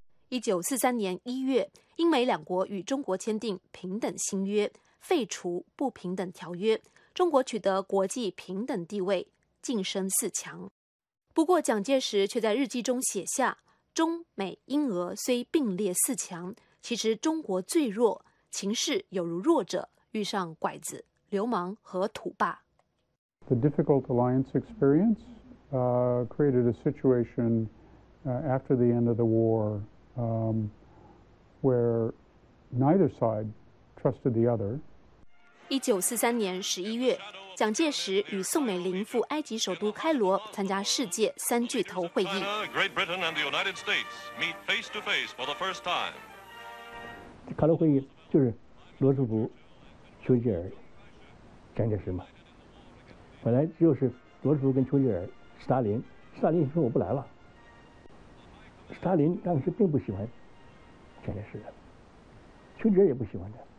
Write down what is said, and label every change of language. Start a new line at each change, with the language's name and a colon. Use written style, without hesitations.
Chinese: 1943年1月，英美两国与中国签订平等新约，废除不平等条约，中国取得国际平等地位，晋升四强。不过蒋介石却在日记中写下，中美英俄虽并列四强，其实中国最弱，情势有如弱者遇上拐子、流氓和土霸。
English: The difficult alliance experience created a situationafter the end of the war, where neither side trusted the other.
Chinese: 1943年11月，蒋介石与宋美龄赴埃及首都开罗参加世界三巨头会议。
English: Great Britain and the United States meet face to face for the first time.
Chinese: 开罗会议就是罗斯福、丘吉尔、蒋介石嘛。本来就是罗斯福跟丘吉尔、斯大林说我不来了。斯大林当时并不喜欢蒋介石的，丘吉尔也不喜欢他。